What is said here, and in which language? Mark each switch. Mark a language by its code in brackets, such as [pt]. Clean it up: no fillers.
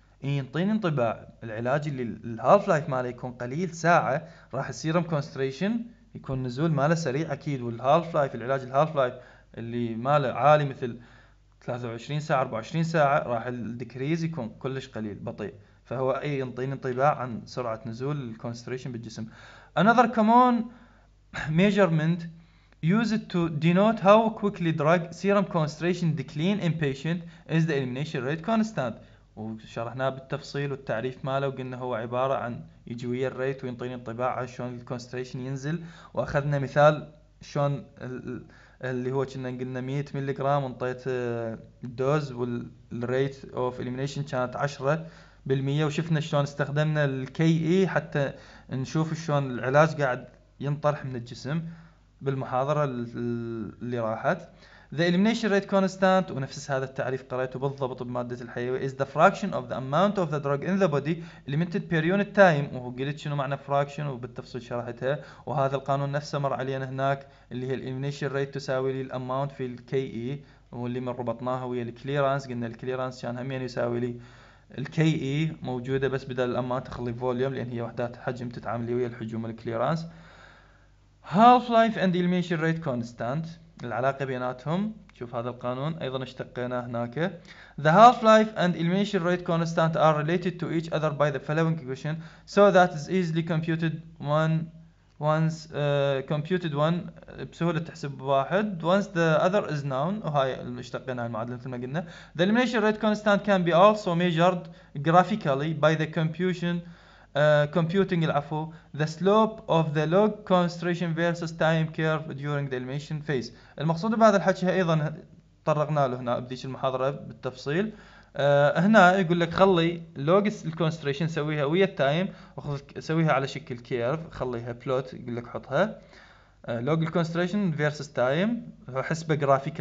[ar] ينطيني انطباع العلاج اللي الهالف لايف ماله يكون قليل ساعه، راح السيروم كونستريشن يكون نزول ماله سريع اكيد. والهالف لايف العلاج الهالف لايف اللي ماله عالي مثل 23 ساعه 24 ساعه، راح الديكريز يكون كلش قليل بطيء. فهو اي ينطيني انطباع عن سرعه نزول الكونستريشن بالجسم. [en] another common measurement used to denote how quickly drug serum concentration decline in patient is the elimination rate constant. [ar] وشرحناه بالتفصيل والتعريف ماله، وقلنا هو عباره عن يجي ويا الريت وينطيني انطباع عن شلون الكونستريشن ينزل. واخذنا مثال شلون اللي هو كنا قلنا 100 ملي جرام وانطيت الدوز والريت اوف اليمينيشن كانت 10%، وشفنا شلون استخدمنا الكي اي حتى نشوف شلون العلاج قاعد ينطرح من الجسم بالمحاضرة اللي راحت. [en] The elimination rate constant ونفس هذا التعريف قريته بالضبط بمادة الحيوي is the fraction of the amount of the drug in the body limited per unit time. [ar] وهو قلت شنو معنى fraction وبالتفصيل شرحتها، وهذا القانون نفسه مر علينا هناك اللي هي elimination rate تساوي لي الamount في الKE، واللي من ربطناها ويا الكليرانس قلنا الكليرانس كان هم يعني يساوي لي الKE موجودة بس بدل الamount تخلي volume، لأن هي وحدات حجم تتعاملي ويا الحجوم الكليرانس. half life and elimination rate constant العلاقة بيناتهم، شوف هذا القانون أيضا اشتقيناه هناك. [en] the half life and elimination rate constant are related to each other by the following equation so that is easily computed once computed one بسهولة تحسب واحد once the other is known. [ar] وهاي اشتقينا المعادلة مثل ما قلنا. [en] the elimination rate constant can be also measured graphically by the computing the slope of the log concentration versus time curve during the elimination phase. [ar] المقصود بهذا الحكي ايضا طرقنا له هنا بديش المحاضرة بالتفصيل. هنا يقول لك خلي log concentration سويها ويا التايم وخذ سويها على شكل كيرف، خليها بلوت يقول لك حطها log concentration versus time وحسبه graphically.